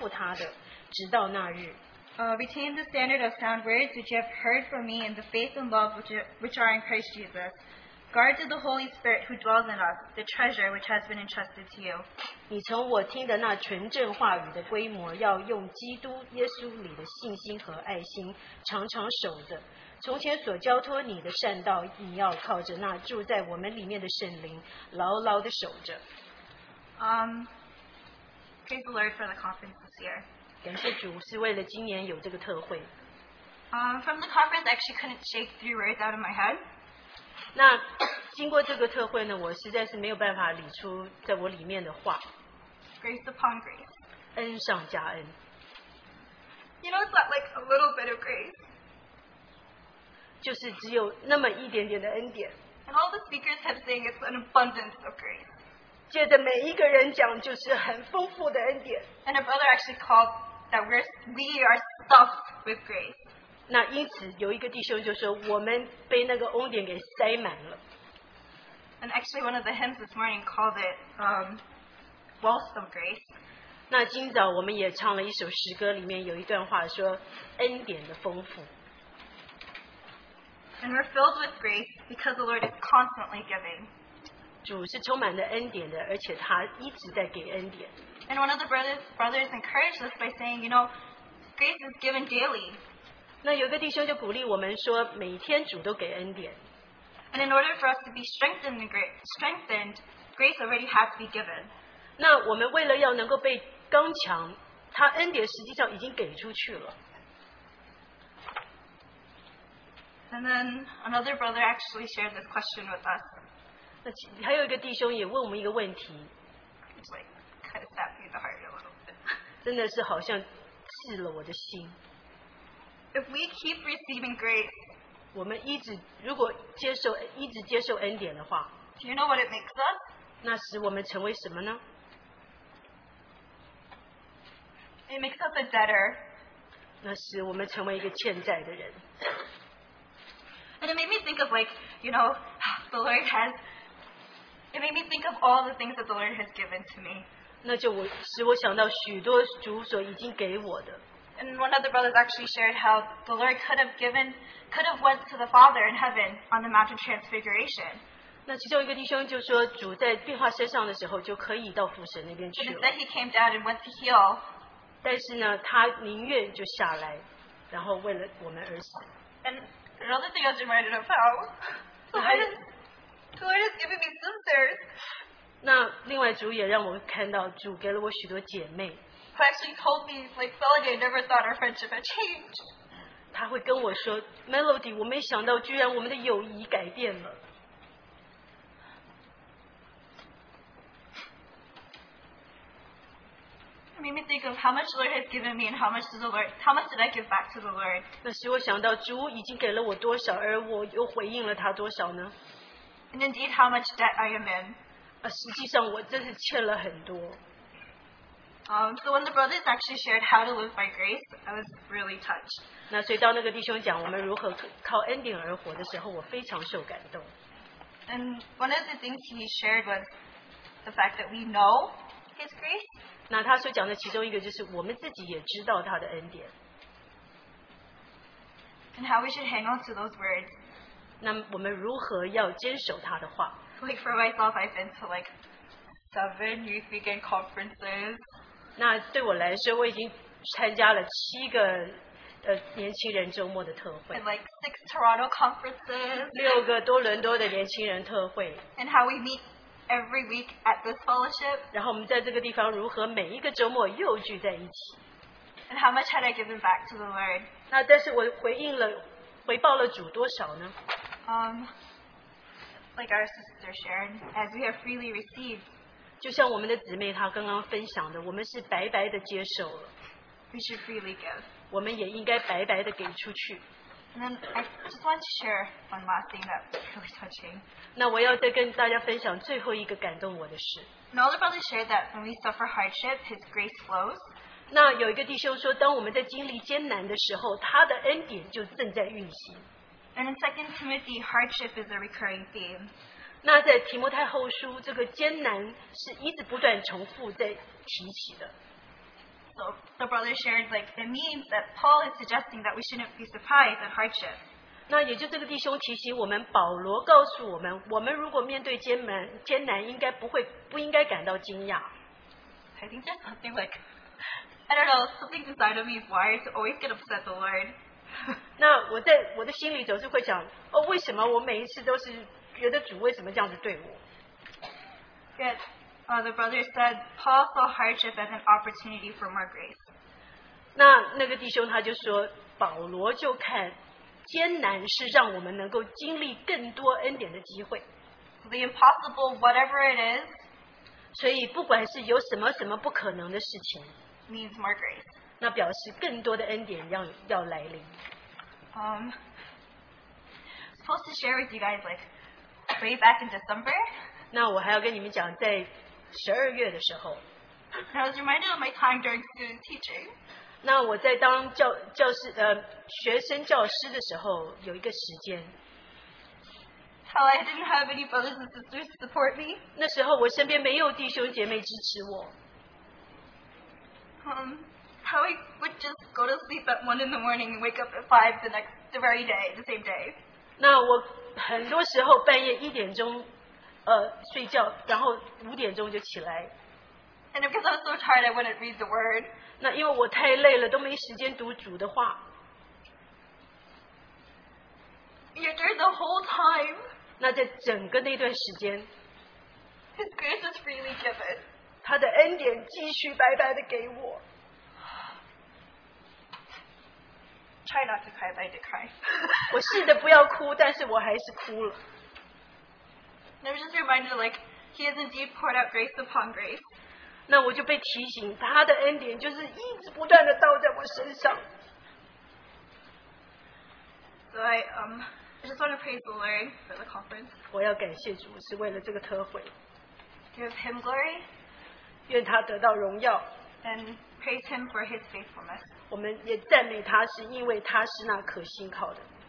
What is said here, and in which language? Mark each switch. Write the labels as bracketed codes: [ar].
[zh] 为这缘故，我也受这些苦难。然而我不以为耻，因为知道我所信的是谁，也深信他能保全我所交托交付他的，直到那日。 [en] Retain the standard of sound words which you have heard from me in the faith and love which are in Christ Jesus. Guard to the Holy Spirit who dwells in us, the treasure which has been entrusted to you. [zh] 你从我听的那纯正话语的规模，要用基督耶稣里的信心和爱心常常守着。从前所交托你的善道，你要靠着那住在我们里面的圣灵，牢牢的守着。 [en] Praise the Lord for the conference this year. [zh] 感谢主，是为了今年有这个特会。 [en] From the conference, I actually couldn't shake 3 words out of my head. [zh] 那经过这个特会呢，我实在是没有办法理出在我里面的话。 [en] Grace upon grace. [zh] 恩上加恩。 [en] You know, it's not like a little bit of grace. [zh] 就是只有那么一点点的恩典。 [en] And all the speakers kept saying it's an abundance of grace. [zh] 接着每一个人讲就是很丰富的恩典。 [en] And a brother actually called that we are stuffed with grace. [zh] 那因此有一个弟兄就说我们被那个恩典给塞满了。 [en] And actually one of the hymns this morning called it wealth of grace. [zh] 那今早我们也唱了一首诗歌里面有一段话说恩典的丰富。 [en] And we're filled with grace because the Lord is constantly giving. [zh] 主是充满了恩典的，而且他一直在给恩典。 [en] And one of the brothers encouraged us by saying, you know, grace is given daily. [zh] 那有个弟兄就鼓励我们说，每天主都给恩典。 [en] And in order for us to be strengthened, grace already has to be given. [zh] 那我们为了要能够被刚强，他恩典实际上已经给出去了。 [en] And then another brother actually shared this question with us. [zh] 那还有一个弟兄也问我们一个问题。 [en] It's like kind of stabbed me in the heart a little bit. [zh] 真的是好像刺了我的心。 [en] If we keep receiving grace, [zh] 我们一直如果接受一直接受恩典的话 [en] ，Do you know what it makes us? [zh] 那使我们成为什么呢 [en] ？It makes us a debtor. [zh] 那使我们成为一个欠债的人。 [en] And it made me think of like, you know, the Lord has, it made me think of all the things that the Lord has given to me. [zh] 那就我使我想到许多主所已经给我的。 [en] And one of the brothers actually shared how the Lord could have went to the Father in heaven on the Mount of Transfiguration. [zh] 那其中一个弟兄就说主在变化身上的时候就可以到父神那边去了。 [en] But instead he came down and went to heal. [zh] 但是呢他宁愿就下来然后为了我们而死。 [en] Another thing I was reminded of how the Lord has given me sisters. [zh] 那另外主也让我看到主给了我许多姐妹。 [en] He actually told me like Felicia never thought our friendship had changed. [zh] 他会跟我说 Melody, 我没想到居然我们的友谊改变了。 [en] It made me think of how much the Lord has given me and how much did I give back to the Lord. [zh] 那使我想到主已经给了我多少，而我又回应了他多少呢 [en] ？And indeed, how much debt I am in. [zh] 实际上我真是欠了很多。 [en] So when the brothers actually shared how to live by grace, I was really touched. [zh] 那所以当那个弟兄讲我们如何靠恩典而活的时候，我非常受感动。 [en] And one of the things he shared was the fact that we know his grace. [zh] 那他所讲的其中一个就是我们自己也知道他的恩典。 [en] And how we should hang on to those words. [zh] 那我们如何要坚守他的话 [en] ？Like for myself, I've been to like 7 youth weekend conferences. [zh] 那对我来说，我已经参加了7个年轻人周末的特会。 [en] And like 6 Toronto conferences. [zh] 6个多伦多的年轻人特会。 [en] And how we meet every week at this fellowship. [zh] 然后我们在这个地方如何每一个周末又聚在一起 [en] ？And how much had I given back to the Lord? [zh] 那但是我回应了，回报了主多少呢 [en] ？Like our sister Sharon, as we have freely received. [zh] 就像我们的姊妹她刚刚分享的，我们是白白的接受了。 [en] We should freely give. [zh] 我们也应该白白的给出去。 [en] And then I just want to share one last thing that's really touching. [zh] 那我要再跟大家分享最后一个感动我的事。 [en] And all the brothers shared that when we suffer hardship, His grace flows. [zh] 那有一个弟兄说，当我们在经历艰难的时候，他的恩典就正在运行。 [en] And in 2 Timothy, hardship is a recurring theme. [zh] 那在提摩太后书，这个艰难是一直不断重复在提起的。 [en] So the brother shared, like, it means that Paul is suggesting that we shouldn't be surprised at hardship. [zh] 那也就这个弟兄提醒我们，保罗告诉我们，我们如果面对艰难，应该不应该感到惊讶。 [en] I think there's something like. I don't know, something inside of me is wired to always get upset at the Lord. [zh] 那我在我的心里总是会想，哦，为什么我每一次都是觉得主为什么这样子对我 [en] ？Yet, the brother said, Paul saw hardship as an opportunity for more grace. [zh] 那个弟兄他就说，保罗就看艰难是让我们能够经历更多恩典的机会。 [en] The impossible, whatever it is. [zh] 所以不管是有什么不可能的事情。 [en] Means more grace. [zh] 那表示更多的恩典要来临。 [en] Supposed to share with you guys like way back in December. [zh] 那我还要跟你们讲，在十二月的时候。 [en] I was reminded of my time during student teaching. [zh] 那我在当教师学生教师的时候，有一个时间。 [en] How I didn't have any brothers and sisters to support me. [zh] 那时候我身边没有弟兄姐妹支持我。 [en] How I would just go to sleep at 1 in the morning and wake up at 5 the next, the very day, the same day. [zh] 那我很多时候半夜一点钟睡觉，然后五点钟就起来。 [en] And because I was so tired, I wouldn't read the word. [zh] 那因为我太累了，都没时间读主的话。 [en] Yet during the whole time, [zh] 那在整个那段时间， [en] His grace was freely given. [zh] 他的恩典继续白白的给我。 [en] Try not to cry, but I did cry. [zh] 我试着不要哭，但是我还是哭了。 [en] And I was just reminded, like, He has indeed poured out grace upon grace. [zh] 那我就被提醒，他的恩典就是一直不断的倒在我身上。 [en] So I just want to praise the Lord for the conference. [zh] 我要感谢主，是为了这个特会。 [en] Give Him glory. [zh] 愿他得到荣耀。 [en] And praise Him for His faithfulness. [zh] 我们也赞美他，是因为他是那可信靠的。